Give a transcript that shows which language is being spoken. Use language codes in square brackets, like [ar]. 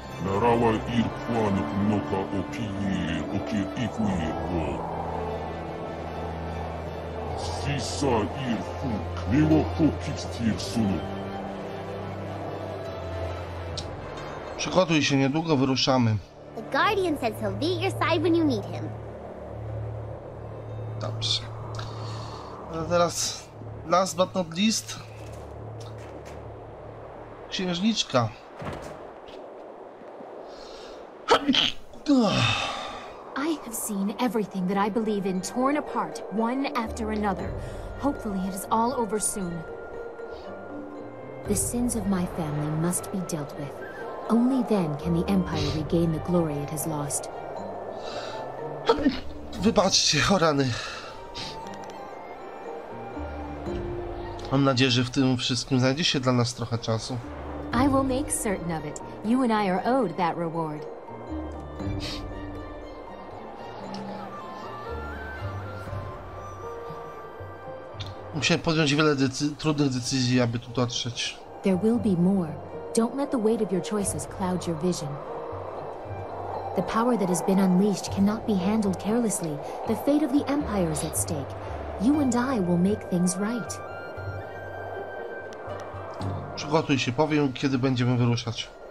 [pl] Narała ir kwan noka opinie okie ikuje wo. Sisa ir fu kmiwo kukistir sunu. Przygotuj się, niedługo wyruszamy. [en] The Guardian says he'll be at your side when you need him. [pl] Dobrze. A teraz... [en] Last but not least, [pl] księżniczka. [en] I have seen everything that I believe in torn apart, one after another. Hopefully it is all over soon. The sins of my family must be dealt with. Only then can the Empire regain the glory it has lost. [pl] Wybaczcie, o rany. Mam nadzieję, że w tym wszystkim znajdzie się dla nas trochę czasu. [en] I will make certain of it. You and I are owed that reward. [pl] Musiałem podjąć wiele trudnych decyzji, aby tu dotrzeć. [en] There will be more. Don't let the weight of your choices cloud your vision. The power that has been unleashed cannot be handled carelessly. The fate of the Empire is at stake. You and I will make things right. [pl] Przygotuj się, powiem, kiedy będziemy wyruszać.